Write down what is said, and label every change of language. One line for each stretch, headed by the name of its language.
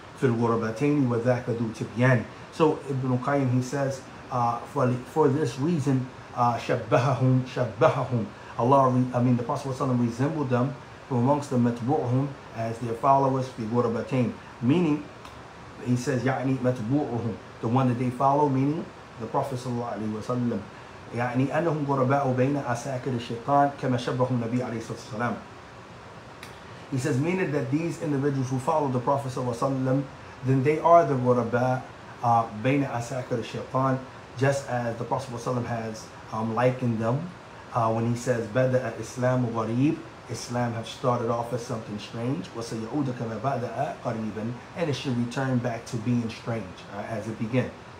English: Fidwarabatani wa zakadu tibyan. So Ibn Qayyim, he says, for this reason, shabbahahum. The Prophet ﷺ resembled them from amongst the matbu'hum as their followers, fidwarabatani. Meaning, he says, ya'ni matbu'hum, the one that they follow, meaning the Prophet ﷺ.
Arabic: يعني أنهم غرباء بين أساكر الشيطان كما شبههم النبي عليه الصلاة والسلام.
English: He says, meaning that these individuals who follow the Prophet صلى الله عليه وسلم, then they are the
Arabic: غرباء بين أساكر الشيطان,
English: just as the Prophet صلى الله عليه وسلم has likened them when he says,
Arabic: بدأ الإسلام غريب,
English: Islam has started off as something strange,
Arabic: وسيعود كما بدأ قريبا,
English: and it should return back to being strange as it began.